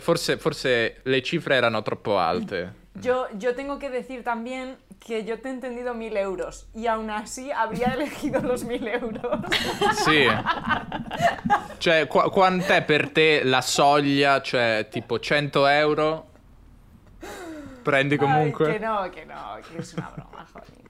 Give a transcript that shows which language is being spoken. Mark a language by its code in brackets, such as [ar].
[it] Forse le cifre erano troppo alte. [es] Yo tengo que decir también que yo te he entendido 1000 euros y aún así habría elegido los 1000 euros. Sí. [it] Cioè, quant'è per te la soglia? Cioè, tipo 100 euro? Prendi comunque? [es] Ay, que no, que es una broma, joder.